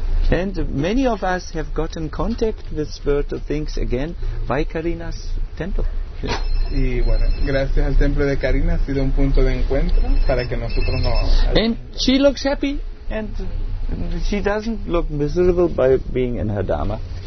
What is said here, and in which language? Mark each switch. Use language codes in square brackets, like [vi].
[en] And many of us have gotten contact with spiritual things again by Karina's temple. [es] Y bueno, gracias al templo de Karina ha sido un punto de encuentro para que nosotros no... [en] And she looks happy and she doesn't look miserable by being in her dharma.